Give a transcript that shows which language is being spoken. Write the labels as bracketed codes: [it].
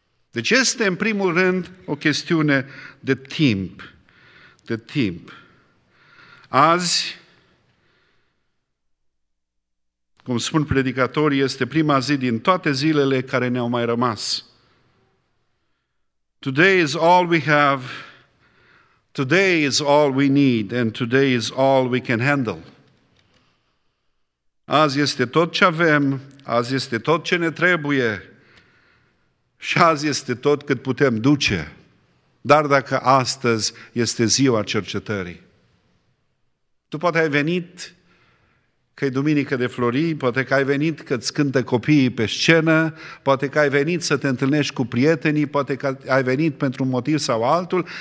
[ro] Deci este în primul rând o chestiune de timp, de timp. Azi, cum spun predicatorii, este prima zi din toate zilele care ne-au mai rămas. [en] Today is all we have, today is all we need, and today is all we can handle. [ro] Azi este tot ce avem, azi este tot ce ne trebuie și azi este tot cât putem duce. Dar dacă astăzi este ziua cercetării, tu poate ai venit că e duminică de flori, poate că ai venit că-ți cântă copiii pe scenă, poate că ai venit să te întâlnești cu prietenii, poate că ai venit pentru un motiv sau altul.